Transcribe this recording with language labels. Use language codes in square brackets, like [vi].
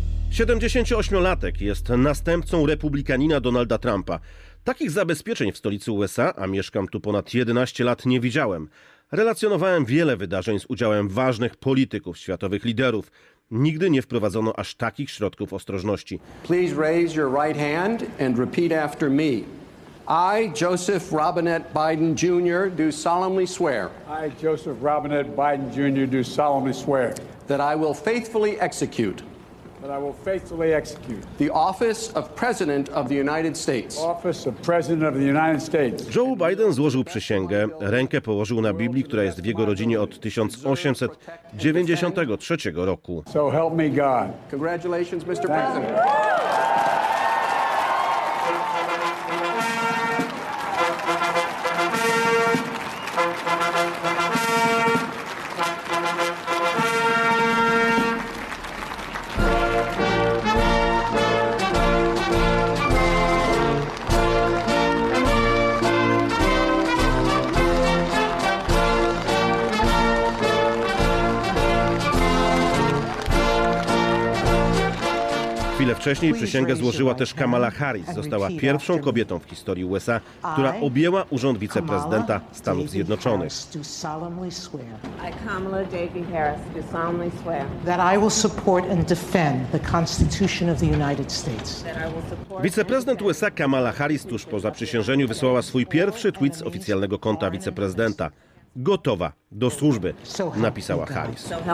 [pl] Siedemdziesięcioośmiolatek jest następcą republikanina Donalda Trumpa. Takich zabezpieczeń w stolicy USA, a mieszkam tu ponad 11 lat, nie widziałem. Relacjonowałem wiele wydarzeń z udziałem ważnych polityków, światowych liderów. Nigdy nie wprowadzono aż takich środków ostrożności. [en] Please raise your right hand and repeat after me. I, Joseph Robinette Biden Jr., do solemnly swear. I, Joseph Robinette Biden Jr., do solemnly swear. That I will faithfully execute. That I will faithfully execute. The office of President of the United States. Office of President of the United States. [pl] Joe Biden złożył przysięgę, rękę położył na Biblii, która jest w jego rodzinie od 1893 roku. [en] So help me God. Congratulations, Mr. President. [pl] Wcześniej przysięgę złożyła też Kamala Harris. Została pierwszą kobietą w historii USA, która objęła urząd wiceprezydenta Stanów Zjednoczonych. [en] I, Kamala Davie Harris, do solemnly swear that I will support and defend the Constitution of the United States. [pl] Wiceprezydent USA Kamala Harris tuż po zaprzysiężeniu wysłała swój pierwszy tweet z oficjalnego konta wiceprezydenta. Gotowa do służby, napisała Harris.